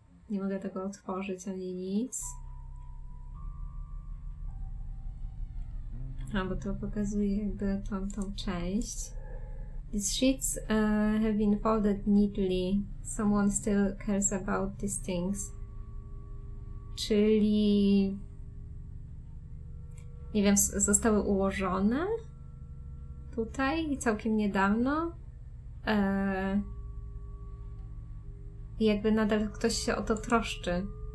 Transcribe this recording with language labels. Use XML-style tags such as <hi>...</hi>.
<pl>Nie mogę tego otworzyć ani nic. A, bo to pokazuje jakby tą część.</pl> <en>These sheets have been folded neatly. Someone still cares about these things.</en> <pl>Czyli... Nie wiem, zostały ułożone tutaj i całkiem niedawno. Jakby nadal ktoś się o to troszczy.</pl>